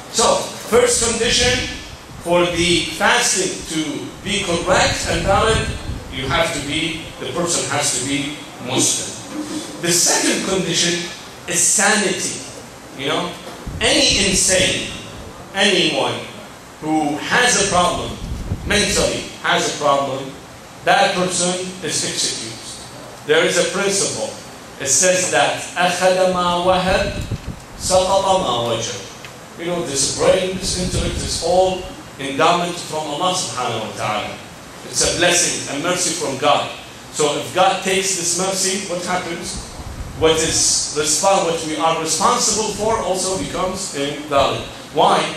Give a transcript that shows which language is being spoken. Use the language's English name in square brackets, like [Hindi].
[English] So, first condition for the fasting to be correct and valid, you have to be, the person has to be Muslim. The second condition is sanity. You know, any insane, anyone who has a problem, mentally has a problem, that person is executed. There is a principle. It says that [Arabic] أَخَذَ مَا وَهَبْ سَقَطَ مَا وَجَبْ. [English] You know, this brain, this intellect is all endowment from Allah subhanahu wa ta'ala. It's a blessing, a mercy from God. So if God takes this mercy, what happens? What is what we are responsible for also becomes invalid. Why?